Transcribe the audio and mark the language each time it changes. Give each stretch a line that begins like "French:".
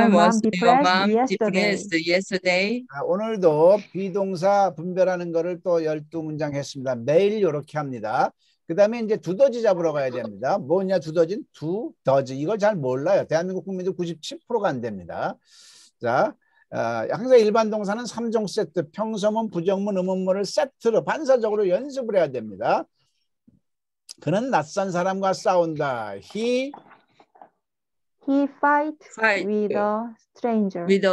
English: Why was your mom depressed yesterday?
Korean: 아, 오늘도 비동사 분별하는 거를 또 12문장 했습니다. 매일 이렇게 합니다. 그 다음에 이제 두더지 잡으러 가야 됩니다. 뭐냐 두더진 두더지. 이걸 잘 몰라요. 대한민국 국민들 97%가 안 됩니다. 자. 항상 일반 동사는 3종 세트, 평소문, 부정문, 음음문을 세트로 반사적으로 연습을 해야 됩니다. 그는 낯선 사람과 싸운다.
English: He fights with a stranger.